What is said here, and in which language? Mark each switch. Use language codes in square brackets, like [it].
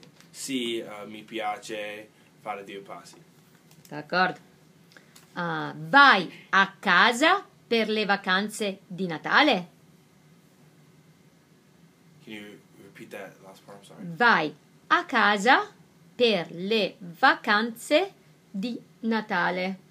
[it] Sì, mi piace fare due passi. D'accordo. Vai a casa per le vacanze di Natale? [en] Can you repeat that last part? I'm sorry. [it] Vai a casa per le vacanze di Natale?